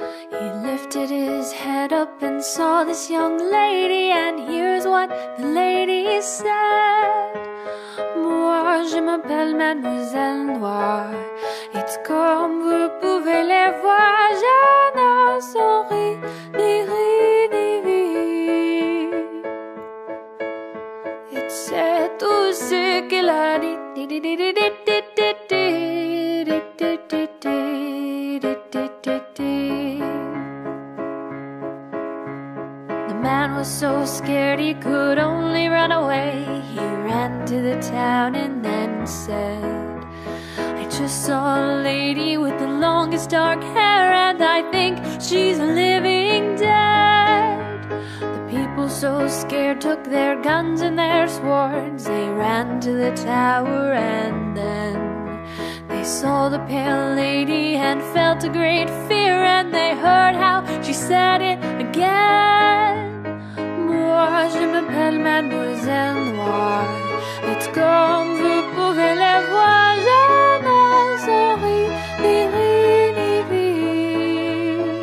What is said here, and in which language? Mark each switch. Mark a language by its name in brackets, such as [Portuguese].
[English] He lifted his head up and saw this young lady, and here's what the lady said. [French] Moi, je m'appelle Mademoiselle Noir. Et comme vous pouvez le voir, je ne souris ni rire ni vie. Et c'est tout ce qu'elle a dit. [English] The man was so scared he could only run away. He ran to the town and then said, I just saw a lady with the longest dark hair. And and I think she's living dead. The people so scared took their guns and their swords. They ran to the tower and then they saw the pale lady and felt a great fear. And they heard how she said it again. [French] Moi, je m'appelle Mademoiselle Noir. Et comme vous pouvez le voir, je ne souris ni rien ni vie.